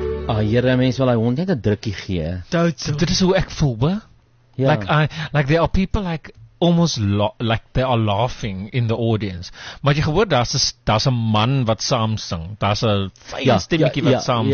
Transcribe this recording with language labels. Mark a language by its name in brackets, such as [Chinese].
[Afrikaans] Ah, hierdie mens wil hy hond net 'n drukkie gee. Dit is hoe ek voel, hoor. [English] Yeah. Like there are people like almost like they are laughing in the audience. [Afrikaans] Maar jy gehoor daar's 'n man wat saam sing. Daar's 'n fyn stemmetjie wat saam sing.